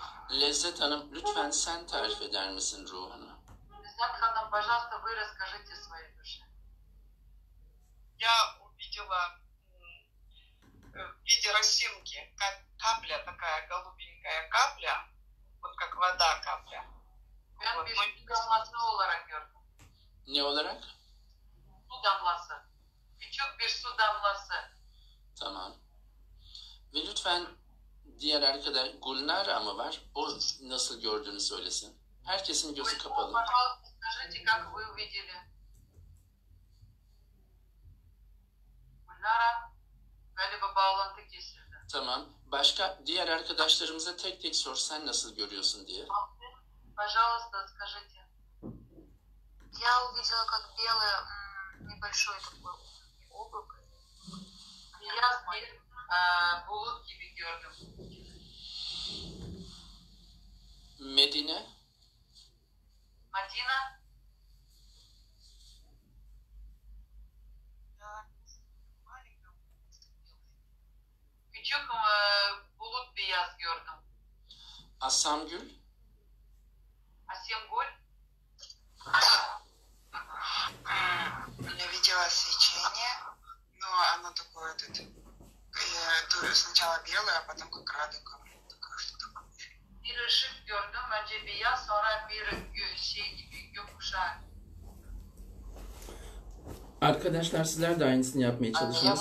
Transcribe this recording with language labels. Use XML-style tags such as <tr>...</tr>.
<tr>Lezzet Hanım, lütfen sen tarif eder misin ruhunu?</tr> <ru>Lezzet Hanım, пожалуйста, вы расскажите свою душу. Я увидела в виде росинки, как капля такая, голубенькая капля, вот как вода капля.</ru> <tr>Ben bir damlası olarak gördüm. Ne olarak? Su damlası. Küçük bir su damlası. Tamam. Ve lütfen diğer arkada Gulnara mı var? O nasıl gördüğünü söylesin. Herkesin gözü kapalı.</tr> <ru>Скажите, как вы увидели?</ru> <tr>Gulnara, galiba bağlantı kesildi. Tamam. Başka diğer arkadaşlarımıza tek tek sor, sen nasıl görüyorsun diye.</tr> <ru>Пожалуйста, скажите. Я увидела, как белое небольшое такое облако. Я смотрю по улыбке Бегерда. Медина. Мадина.</ru> <tr>Küçük bulut beyaz gördüm. Asamgül. Asamgül.</tr> <ru>Я видела свечение, но оно такое этот, которое сначала белое, а потом как радуга.</ru> <tr>Bir ışık gördüm, önce beyaz, sonra bir şey gibi gökkuşağı. Arkadaşlar, sizler de aynısını yapmaya çalışınız.</tr>